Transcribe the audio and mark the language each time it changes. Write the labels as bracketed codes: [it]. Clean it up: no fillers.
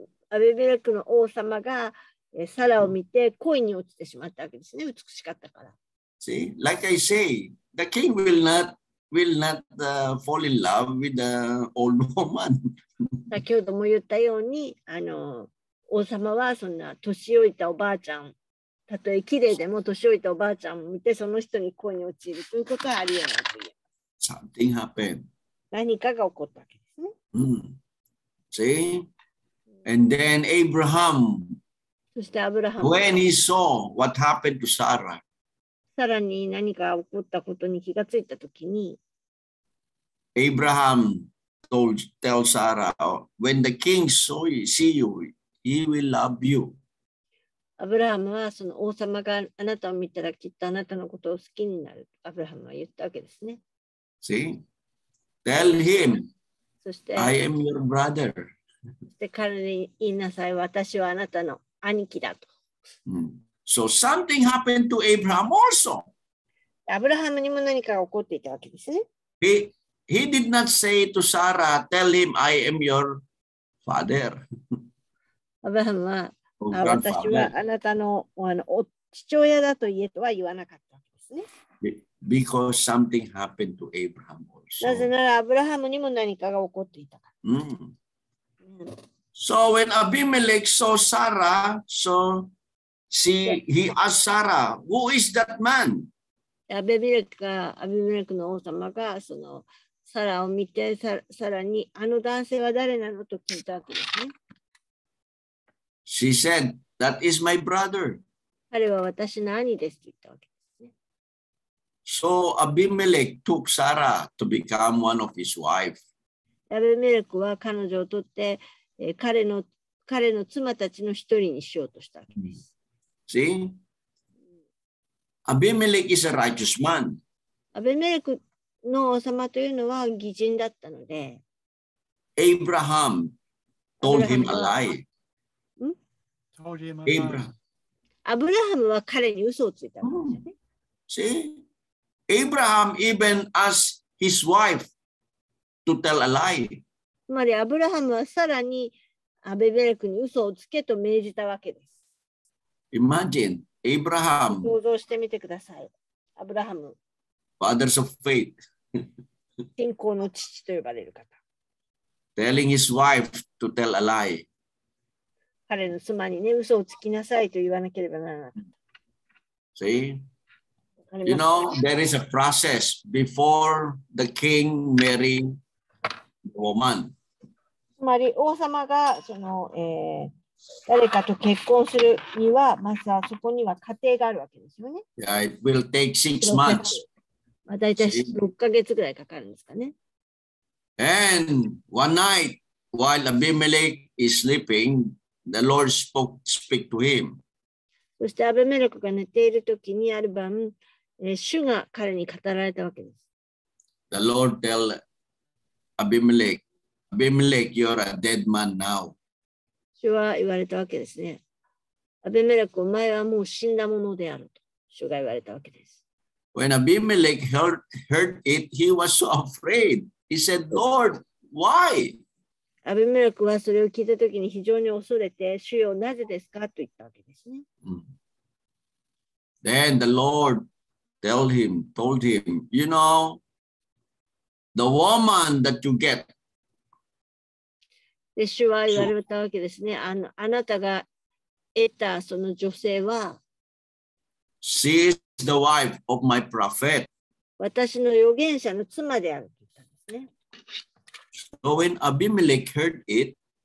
[ja] アビメレクの王様がサラを見て恋に落ちてしまったわけですね。美しかったから。 [en] See, like I say, the king will not fall in love with the old woman. [ja] 先ほども言ったように、あの王様はそんな年老いたおばあちゃん、たとえ綺麗でも年老いたおばあちゃんを見てその人に恋に落ちるということはありえないという。 [en] Something happened. [ja] 何かが起こったわけですね。 [en] See, and then Abraham. [ja] そしてアブラハム。 [en] When he saw what happened to Sarah, [ja] さらに何か起こったことに気がついたときに、 [en] Abraham told Sarah, when the king see you, he will love you. [ja] アブラハムはその王様があなたを見たらきっとあなたのことを好きになる。アブラハムは言ったわけですね。 [en] See, tell him, [ja] そして、 [en] I am your brother. [ja] そして彼に言いなさい、私はあなたの兄貴だと。 [en] So something happened to Abraham also. [ja] アブラハムにも何かが起こっていたわけですね。 [en] He did not say to Sarah, tell him I am your father. [ja] アブラハムは、私はあなたの、お父親だと言えとは言わなかったわけですね。 [en] Because something happened to Abraham also. [ja] なぜならアブラハムにも何かが起こっていたから。 [en] So when Abimelech saw Sarah, so he asked Sarah, "Who is that man?" [ja] Abimelech の王様がそのサラを見てサラにあの男性は誰なのと聞いたわけですね。 [en] She said, "That is my brother." [ja] 彼は私の兄ですと言ったわけですね。 [en] So Abimelech took Sarah to become one of his wife. [ja] Abimelech は彼女を取って彼の妻たちの一人にしようとしたわけです。 [en] See? Abimelech is a righteous man. [ja] Abimelech の王様というのは義人だったので。 [en] Abraham told him a lie. Told him a lie. [ja] Abraham は彼に嘘をついたわけですよね。 [en] See? Abraham even asked his wife to tell a lie. [ja] つまりアブラハムはさらにアベメレクに嘘をつけと命じたわけです。 [en] Imagine Abraham. [ja] 想像してみてください。アブラハム。 [en] Fathers of faith. [ja] 信仰の父と呼ばれる方。 [en] Telling his wife to tell a lie. [ja] 彼の妻にね、嘘をつきなさいと言わなければならなかった。 [en] See? You know, there is a process before the king marry. Woman. [ja] つまり王様がその、誰かと結婚するにはまずはそこには過程があるわけですよね。 [en] Yeah, it will take six months. [ja] まあ、だいたい6ヶ月ぐらいかかるんですかね。 [en] And one night, while Abimelech is sleeping, the Lord speak to him. [ja] そしてアベメレクが寝ているときにある晩、主が彼に語られたわけです。 [en] The Lord tellAbimelech, you're a dead man now. [ja] 主は言われたわけですね。アベメレク、お前はもう死んだものであると主が言われたわけです。 [en] When Abimelech heard it, he was so afraid. He said, Lord, why? [ja] アビメレクはそれを聞いたときに非常に恐れて、主よなぜですかと言ったわけですね。 Mm. [en] Then the Lord told him, you know, the woman that you get. [ja] で、主は言われたわけですね。あなたが得たその女性は、 [en] She is the wife of my prophet. [ja] 私の預言者の妻であると言ったんですね。 [en] So when Abimelech heard it,